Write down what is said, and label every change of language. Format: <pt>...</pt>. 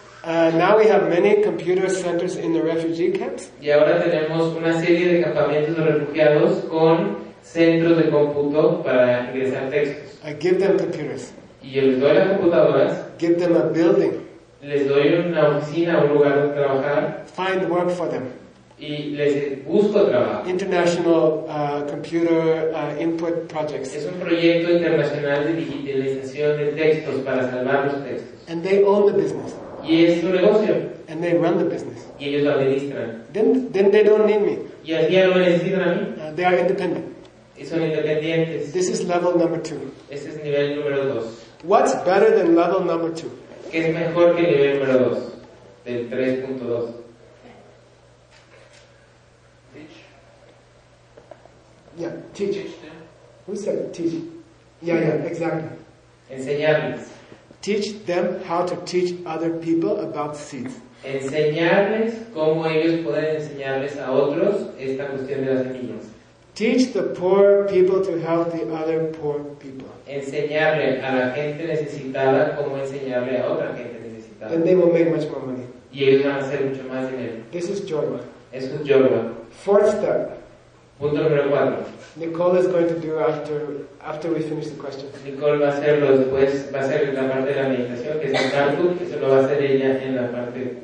<en>Now we have many computer centers in the refugee camps.</en> <es>Y ahora tenemos una serie de campamentos de refugiados con centros de cómputo para ingresar textos.</es> <en>I give them computers.</en> <es>Y yo les doy las computadoras.</es> <en>Give them a building.</en> <es>Les doy una oficina, un lugar donde trabajar.</es> <en>Find work for them.</en> <es>Y les busco trabajo.</es> <en>International computer input projects.</en> <es>Es un proyecto internacional de digitalización de textos para salvar los textos.</es> <en>And they own the business.</en> <es>Y es su negocio.</es> <en>And they run the business.</en> <es>Y ellos lo administran.</es> <en>Then they don't need me.</en> <es>Y así ya no necesitan a mí.</es> <en>They are independent.</en> <es>Y son independientes.</es> <en>This is level number two.</en> <es>Este es nivel número dos.</es> <en>What's better than level number two?</en> <es>¿Qué es mejor que el nivel número dos? Del 3.2.</es> <en>Teach. Who said teach? Exactly.</en> <es>Enseñarles.</es> <en>Teach them how to teach other people about seeds.</en> <es>Enseñarles cómo ellos pueden enseñarles a otros esta cuestión de las semillas.</es> <en>Teach the poor people to help the other poor people.</en> <es>Enseñarle a la gente necesitada cómo enseñarle a otra gente necesitada.</es> <en>And they will make much more money.</en> <es>Y ellos van a hacer mucho más dinero.</es> <en>This is Jorba.</en> <es>Es un Jorba.</es> <en>Fourth step.</en> <es>Punto número cuatro.</es> <en>Nicole is going to do after we finish the question.</en> <es>Nicole va a hacerlo después, va a hacer la parte de la meditación, que es el tanto, que se lo va a hacer ella en la parte.</es>